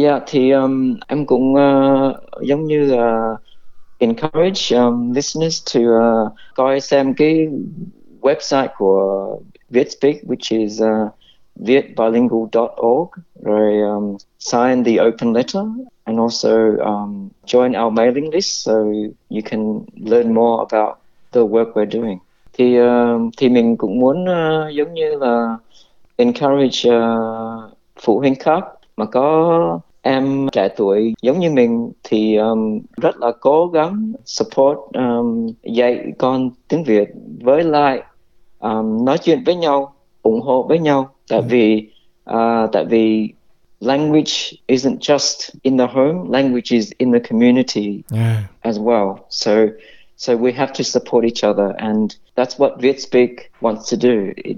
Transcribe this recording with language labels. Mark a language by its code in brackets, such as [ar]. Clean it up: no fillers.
[vi] Thì em cũng giống như [en] encourage listeners to [vi] coi xem cái website của VietSpeak, [en] which is vietbilingual.org, [vi] rồi [en] sign the open letter. And also join our mailing list so you can learn more about the work we're doing. [vi] Thì mình cũng muốn giống như là encourage phụ huynh khác mà có em trẻ tuổi giống như mình, thì rất là cố gắng support dạy con tiếng Việt, với lại nói chuyện với nhau, ủng hộ với nhau. Tại vì [en] language isn't just in the home, language is in the community as well. So we have to support each other, and that's what VietSpeak wants to do.